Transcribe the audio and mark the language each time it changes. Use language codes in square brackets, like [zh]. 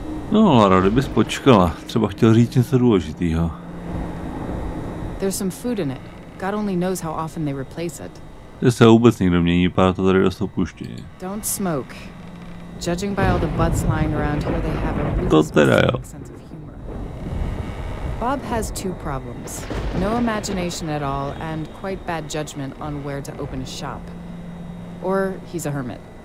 [cs] No, Lara, kdybys počkala, třeba chtěl říct něco důležitýho. [en] There's some food in it. God only knows how often they replace it. [cs] Že se vůbec nikdo mění, vypadá to tady dost opuštěně. [en] Don't smoke. Judging by all the butts lying around here, they have a really specific sense of Bob has two problems. No imagination at all, and quite bad judgment on where to open a shop. Or he's a hermit.